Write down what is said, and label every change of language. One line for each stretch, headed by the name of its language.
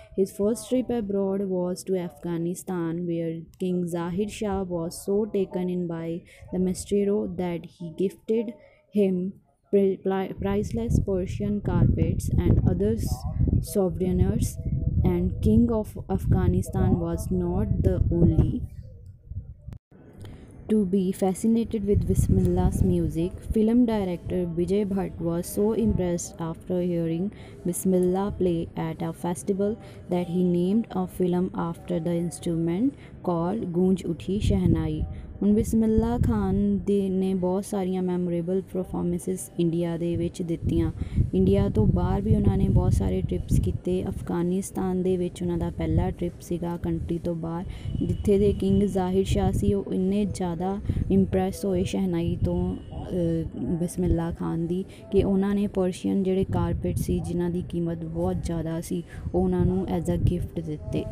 English: His first trip abroad was to Afghanistan where King Zahir Shah was so taken in by the maestro that he gifted him priceless Persian carpets and other souvenirs, and King of Afghanistan was not the only to be fascinated with Bismillah's music. Film director Vijay Bhatt was so impressed after hearing Bismillah play at a festival that he named a film after the instrument called Goonj Uthi Shehnai.
Punjabi: ਹੁਣ ਬਿਸਮਿਲ੍ਲਾ ਖਾਨ ਦੇ ਨੇ ਬਹੁਤ ਸਾਰੀਆਂ memorable performances India ਦੇ ਵਿੱਚ ਦਿੱਤੀਆਂ। India ਤੋਂ ਬਾਹਰ ਵੀ ਉਹਨਾਂ ਨੇ ਬਹੁਤ ਸਾਰੇ ਟ੍ਰਿਪਸ ਕੀਤੇ। ਅਫਗਾਨਿਸਤਾਨ ਦੇ ਵਿੱਚ ਉਹਨਾਂ ਦਾ ਪਹਿਲਾ ਟ੍ਰਿਪ ਸੀਗਾ ਕੰਟਰੀ ਤੋਂ ਬਾਹਰ, ਜਿੱਥੇ ਦੇ ਕਿੰਗ ਜ਼ਾਹਿਰ ਸ਼ਾਹ ਸੀ ਉਹ ਇੰਨੇ ਜ਼ਿਆਦਾ ਇੰਪ੍ਰੈਸ ਹੋਏ ਸ਼ਹਿਨਾਈ ਤੋਂ ਬਿਸਮਿਲ੍ਲਾ ਖਾਨ ਦੀ ਕਿ ਉਹਨਾਂ ਨੇ ਪਰਸ਼ੀਅਨ ਜਿਹੜੇ ਕਾਰਪੇਟ ਸੀ ਜਿਨ੍ਹਾਂ ਦੀ ਕੀਮਤ ਬਹੁਤ ਜ਼ਿਆਦਾ ਸੀ ਉਹਨਾਂ ਨੂੰ ਐਜ਼ ਅ ਗਿਫਟ ਦਿੱਤੇ।